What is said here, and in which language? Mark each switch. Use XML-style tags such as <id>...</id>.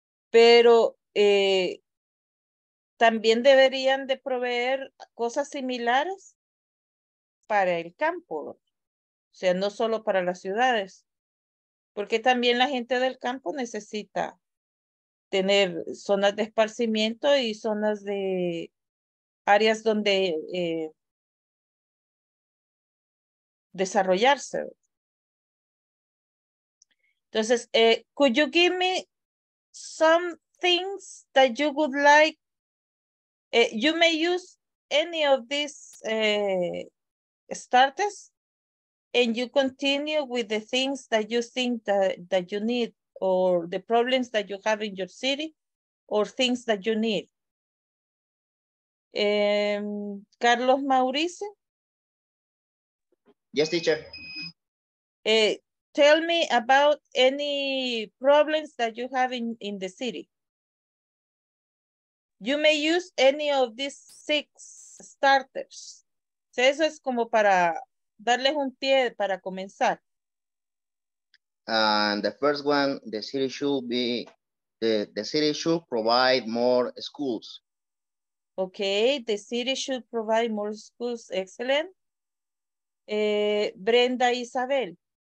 <es>Pero también deberían de proveer cosas similares para el campo, o sea, no solo para las ciudades, porque también la gente del campo necesita tener zonas de esparcimiento y zonas de áreas donde desarrollarse.</es> <en>Entonces, could you give me some things that you would like? You may use any of these starters, and you continue with the things that you think that you need, or the problems that you have in your city, or things that you need. Carlos Mauricio? Yes, teacher. Tell me about any problems that you have in the city. You may use any of these six starters.</en> <es>So eso es como para darles un pie para comenzar.</es> <en>And the first one, the city should be, the city should provide more schools. Okay, the city should provide more schools. Excellent. Brenda Isabel.</en>